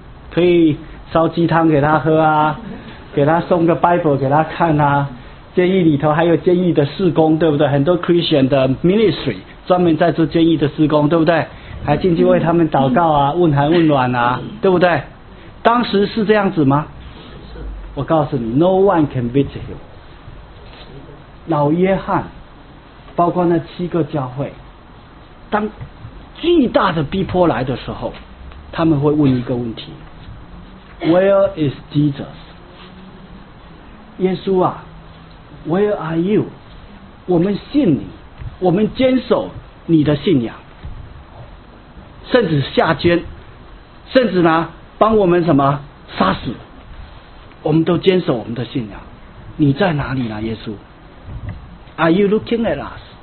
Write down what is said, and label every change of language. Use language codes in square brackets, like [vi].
[zh] 可以烧鸡汤给他喝啊，给他送个 Bible 给他看啊。监狱里头还有监狱的事工，对不对？很多 Christian 的 ministry 专门在做监狱的事工，对不对？还进去为他们祷告啊，问寒问暖啊，对不对？当时是这样子吗？我告诉你 [en] ，No one can visit him。 [zh] 老约翰，包括那七个教会，当巨大的逼迫来的时候，他们会问一个问题 ： [en] Where is Jesus？ [zh] 耶稣啊 [en] ，Where are you？ [zh] 我们信你，我们坚守你的信仰，甚至下监，甚至呢帮我们什么杀死，我们都坚守我们的信仰。你在哪里呢耶稣？ [en] Are you looking at us?